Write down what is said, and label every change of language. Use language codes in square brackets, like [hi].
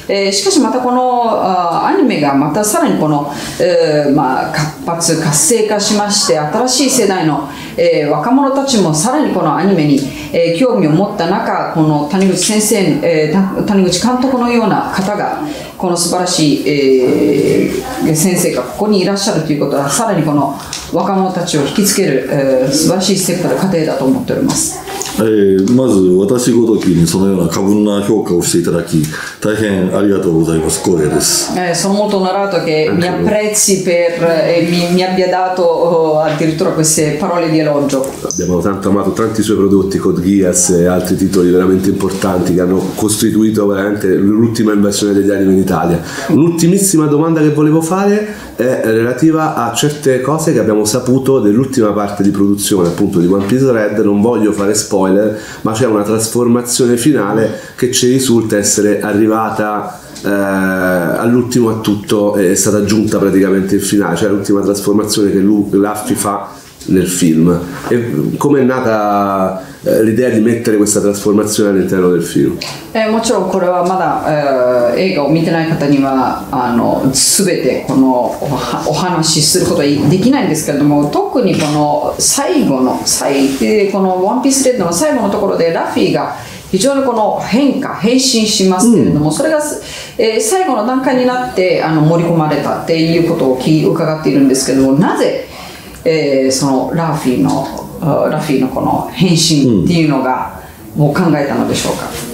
[ja] しかしまたこのアニメがまたさらにこの、まあ、活発活性化しまして、新しい世代の、若者たちもさらにこのアニメに、興味を持った中、この谷口先生、谷口監督のような方がこの素晴らしい、先生がここにいらっしゃるということは、さらにこの若者たちを引きつける、素晴らしいステップの過程だと思っております。まず私ごときにそのような過分な評価をしていただき大変ありがとうございます。光栄です。その元のラートがみゃプレッシペルみゃびゃだとアディルトラクセパロレディエロジョ。 [it] Abbiamo tanto amato tanti suoi prodotti, Code Geass e altri titoli veramente importanti che hanno costituito veramente l'ultima invasione degli anime in Italia. L'ultimissima domanda che volevo fare è relativa a certe cose che abbiamo saputo dell'ultima parte di produzione appunto di One Piece Red. Non voglio fare spoiler, ma c'è una trasformazione finale che ci risulta essere arrivata all'ultimo a tutto, è stata giunta praticamente il finale, cioè l'ultima trasformazione che Luffy fa nel film. E come è nata l'idea di mettere questa trasformazione all'interno del film? [ja] もちろんこれはまだ映画を見てない方にはすべてこのお話しすることはできないんですけれども、特にこの最後の最このワンピースレッドの最後のところでラフィーが非常にこの変化変身しますけれども、うん、それが、最後の段階になって盛り込まれたっていうことを伺っているんですけれども、なぜ、そのラフィーのこの変身っていうのがもう考えたのでしょうか。